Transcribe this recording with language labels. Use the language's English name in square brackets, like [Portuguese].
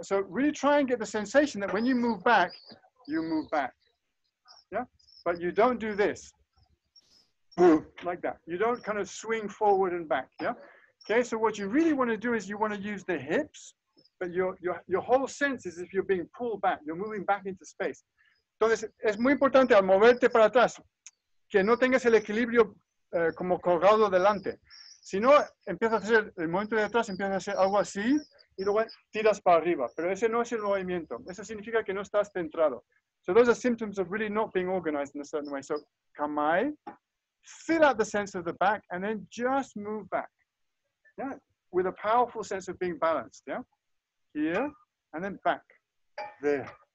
[English] So really try and get the sensation that when you move back, you move back. Yeah? But you don't do this. Like that. You don't kind of swing forward and back. Yeah. Okay, so what you really want to do is you want to use the hips, but your whole sense is if you're being pulled back, you're moving back into space. [Spanish] Entonces, es muy importante al moverte para atrás. Que no tengas el equilibrio como colgado delante. Si no, empiezas a hacer el movimiento de atrás, empiezas a hacer algo así y luego tiras para arriba. Pero ese no es el movimiento. Eso significa que no estás centrado. [English] So those are symptoms of really not being organized in a certain way. So kamae, fill out the sense of the back and then just move back. Yeah, with a powerful sense of being balanced. Yeah, here and then back. There.